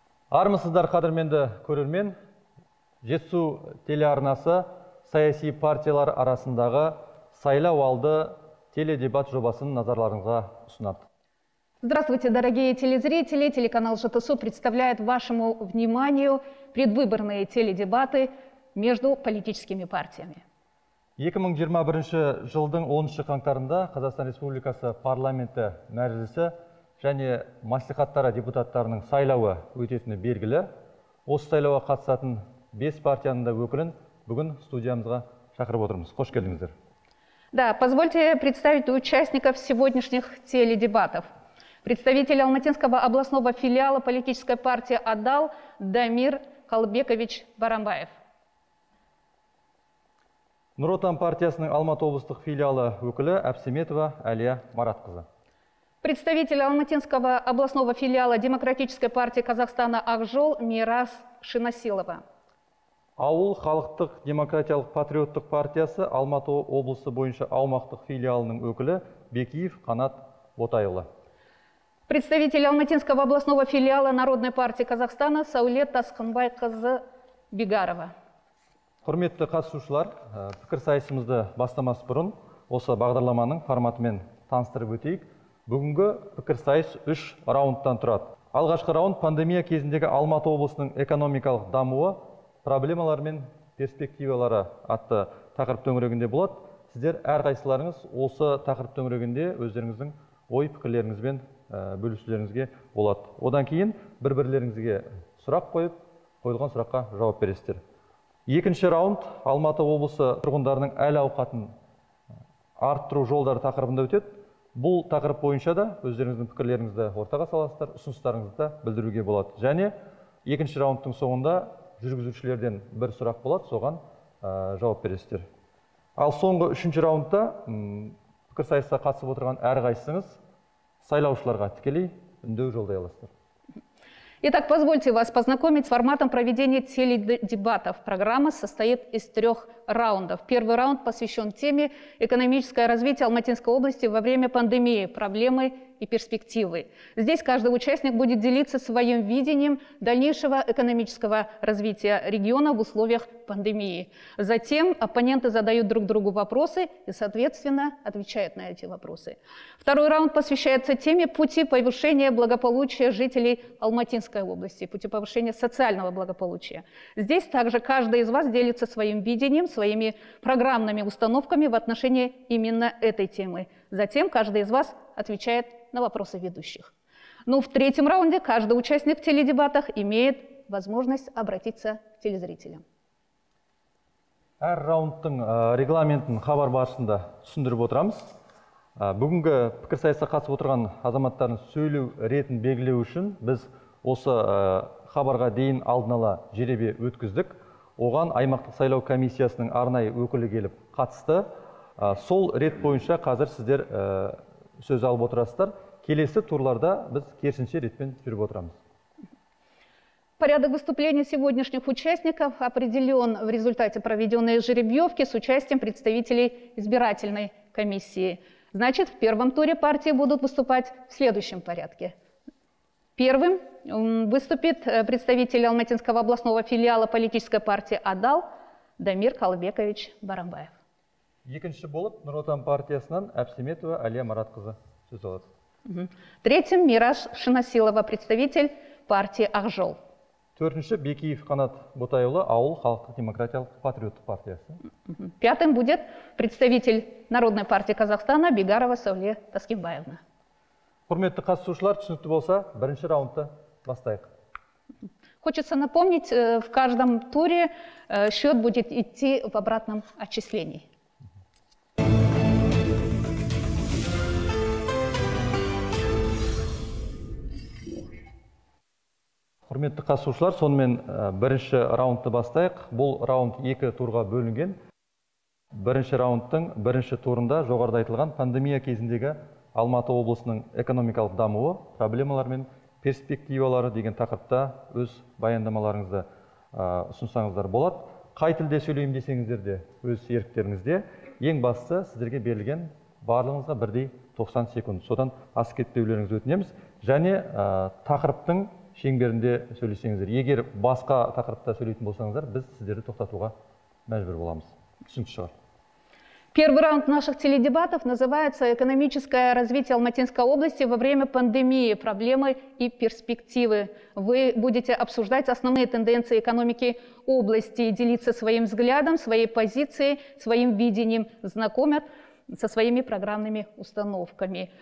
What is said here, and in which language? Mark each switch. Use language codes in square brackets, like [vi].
[kk] Армысыздар, қадірменді көрермен. Жетісу телеарнасы саяси партиялар арасындағы сайлауалды теледебат жобасын назарларыңызға ұсынады. [ru] Здравствуйте, дорогие телезрители! Телеканал ЖТСУ представляет вашему вниманию предвыборные теледебаты между политическими партиями. [kk] 2021 жылдың 10 қаңтарында Қазақстан Республикасы парламенті мәжілісі және мәслихаттары депутаттарының сайлауы өтетіні белгілі. Осы сайлауға қатысатын 5 партияның да өкілін бүгін студиямызға шақырып отырмыз. Қош келдіңіздер. [ru] Да, позвольте представить участников сегодняшних теледебатов. Представитель Алматинского областного филиала политической партии «Адал» Дамир Халбекович Барамбаев. [kk] Нұр Отан партиясының Алматы облыстық филиалы өкілі Әпсеметова Әлия Маратқызы. [ru] Представитель Алматинского областного филиала Демократической партии Казахстана «Ақжол» Мирас Шинасилова. [kk] Ауыл халықтық демократиялық патриоттық партиясы Алматы облысы бойынша аумақтық филиалының өкілі Бекиев Қанат Ботайұлы. [ru] Представитель Алматинского областного филиала Народной партии Казахстана Саулет Тасқынбайқызы Бегарова. [kk] Құрметті қатысушылар, пікір сайысымызды бастамас бұрын осы бағдарламаның форматымен таныстырып өтейік. Бүгінгі пікір сайыс 3 раундтан тұрады. Алғашқы раунд пандемия кезіндегі Алматы облысының экономикалық дамуы, проблемалар мен перспективалары атты тақырып төңірегінде болады. Сіздер әрқайсыларыңыз осы тақырып төңірегінде өздеріңіздің ой-пікірлеріңізбен бөлісулеріңізге болады. Одан кейін бір-бірлеріңізге сұрақ қойып, қойылған сұраққа жауап бересіздер. Екінші раунд Алматы облысы тұрғындарының әл-ауқатын арттыру жолдары тақырыбында өтеді. Бұл тақырып бойынша да өздеріңіздің пікірлеріңізді ортаға саласыздар, ұсыныстарыңызды да білдіруге болады. Және екінші раундтың соңында жүргізушілерден бір сұрақ болады, соған жауап бересіздер. Ал соңғы үшінші раундта пікірсайысқа қатысып отырған әрқайсыңыз сайлаушыларға тікелей үндеу жолдай аласыздар. [ru] Итак, позвольте вас познакомить с форматом проведения теледебатов. Программа состоит из 3 раундов. Первый раунд посвящен теме «Экономическое развитие Алматинской области во время пандемии. Проблемы и перспективы». Здесь каждый участник будет делиться своим видением дальнейшего экономического развития региона в условиях пандемии. Затем оппоненты задают друг другу вопросы и, соответственно, отвечают на эти вопросы. Второй раунд посвящается теме «Пути повышения благополучия жителей Алматинской области», «Пути повышения социального благополучия». Здесь также каждый из вас делится своим видением, своими программными установками в отношении именно этой темы. Затем каждый из вас отвечает на вопросы ведущих. Ну, в третьем раунде каждый участник в теледебатах имеет возможность обратиться к телезрителям. [kk] Әр раундтың регламентін хабар барысында түсіндіріп отырамыз. Бүгінгі пікірсайысқа қатысып отырған азаматтардың сөйлеу ретін белгілеу үшін біз осы хабарға дейін алдын ала жеребе өткіздік. Оған аймақтық сайлау комиссиясының арнайы өкілі келіп қатысты. Сол рет бойынша қазір сіздер сөз алып отырасыздар. Келесі турларда біз керісінше ретпен жүріп отырамыз. [ru] Порядок выступления сегодняшних участников определен в результате проведенной жеребьевки с участием представителей избирательной комиссии. Значит, в первом туре партии будут выступать в следующем порядке. Первым выступит представитель Алматинского областного филиала политической партии «Адал» Дамир Халбекович Барамбаев. [kk] Екінші болып, Нұр Отан партиясының Әпсеметова Әлия Маратқызы сөз алады. [ru] Третьим Мираш Шинасилова, представитель партии «Ақжол». [kk] Төртінші Бекиев Қанат Ботайұлы, ауыл халықтық демократиялық патриоттық партиясы. [ru] Пятым будет представитель Народной партии Казахстана Бегарова Сауле Таскенбаевна. [kk] Құрметті қатысушылар, түсінікті болса, бірінші раундты бастайық. [ru] Хочется напомнить, в каждом туре счет будет идти в обратном отчислении. [kk] Құрметті қатысушылар, сонымен бірінші раундты бастайық. Бұл раунд екі турға бөлінген. Бірінші раундтың бірінші турында жоғарыда айтылған пандемия кезіндегі Алматы облысының экономикалық дамуы, проблемалар мен перспективалары деген тақырыпта өз баяндамаларыңызды ұсынсаңыздар болады. Қай тілде сөйлеймін десеңіздер де өз еріктеріңізде. Ең бастысы сіздерге берілген барлығыңызға бірдей 90 секунд. Содан асып кетпеулеріңізді өтінеміз. Және тақырыптың шеңберінде сөйлесеңіздер. Егер басқа тақырыпта сөйлейтін болсаңыздар, біз сіздерді тоқтатуға мәжбүр боламыз. Түсінікті шығар. [ru] Первый раунд наших теледебатов называется «Экономическое развитие Алматинской области во время пандемии. Проблемы и перспективы». Вы будете обсуждать основные тенденции экономики области и делиться своим взглядом, своей позицией, своим видением, знакомят со своими программными установками.